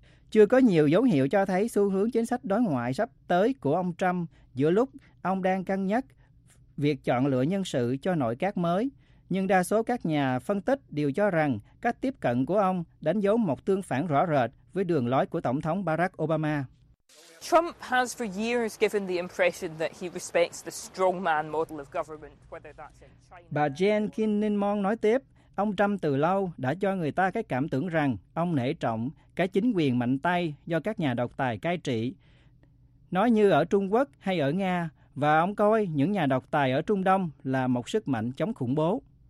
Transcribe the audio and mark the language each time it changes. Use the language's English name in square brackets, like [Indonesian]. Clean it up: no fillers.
[Vietnamese] Chưa có nhiều dấu hiệu cho thấy xu hướng chính sách đối ngoại sắp tới của ông Trump giữa lúc ông đang cân nhắc việc chọn lựa nhân sự cho nội các mới. Nhưng đa số các nhà phân tích đều cho rằng cách tiếp cận của ông đánh dấu một tương phản rõ rệt với đường lối của Tổng thống Barack Obama. [English] Trump has for years given the impression that he respects the strongman model of government, whether that's in China. [Vietnamese] Bà Jen Kinnimon nói tiếp, ông Trump từ lâu đã cho người ta cái cảm tưởng rằng ông nể trọng cái chính quyền mạnh tay do các nhà độc tài cai trị, nói như ở Trung Quốc hay ở Nga, và ông coi những nhà độc tài ở Trung Đông là một sức mạnh chống khủng bố.